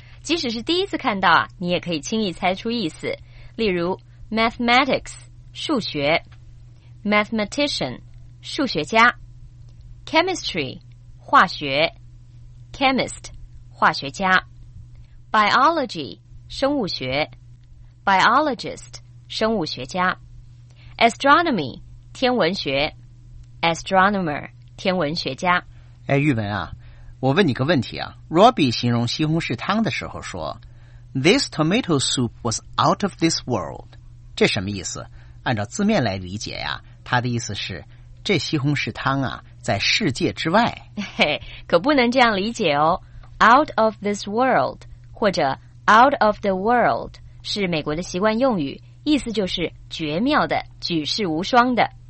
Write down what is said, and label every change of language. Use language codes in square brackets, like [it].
[zh] 即使是第一次看到啊，你也可以轻易猜出意思。例如 ，mathematics 数学 ，mathematician 数学家 ，chemistry 化学 ，chemist 化学家 ，biology 生物学 ，biologist 生物学家 ，astronomy 天文学 ，astronomer 天文学家。哎，玉文啊。我问你个问题啊 ，Robbie 形容西红柿汤的时候说 ， [en] This tomato soup was out of this world。 [zh] 这什么意思？按照字面来理解呀，他的意思是这西红柿汤啊，在世界之外。嘿，可不能这样理解哦。 Out of this world 或者 out of the world 是美国的习惯用语，意思就是绝妙的、举世无双的。